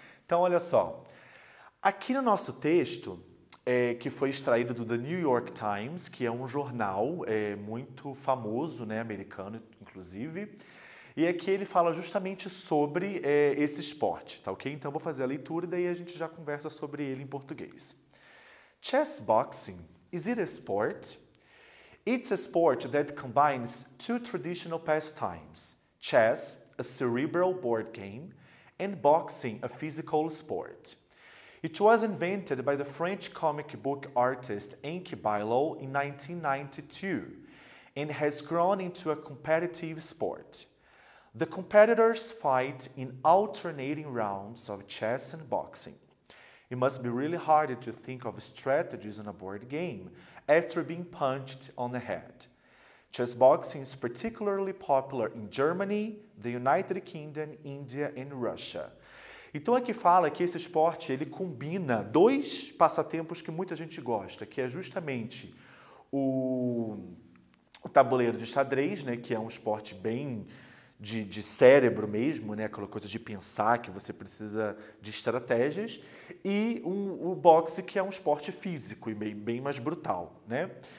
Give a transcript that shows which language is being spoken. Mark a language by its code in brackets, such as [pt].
[pt] Então, olha só. Aqui no nosso texto, que foi extraído do The New York Times, que é um jornal, muito famoso, né? Americano, inclusive. E aqui ele fala justamente sobre, esse esporte, tá ok? Então eu vou fazer a leitura e daí a gente já conversa sobre ele em português. [en] Chess boxing, is it a sport? It's a sport that combines two traditional pastimes, chess, a cerebral board game, and boxing, a physical sport. It was invented by the French comic book artist Enki Bilal in 1992 and has grown into a competitive sport. The competitors fight in alternating rounds of chess and boxing. It must be really hard to think of strategies on a board game after being punched on the head. Chess boxing is particularly popular in Germany, the United Kingdom, India and Russia. [pt] Então aqui fala que esse esporte ele combina dois passatempos que muita gente gosta, que é justamente o tabuleiro de xadrez, né, que é um esporte bem de cérebro mesmo, né, aquela coisa de pensar que você precisa de estratégias, e o boxe, que é um esporte físico e bem mais brutal, né?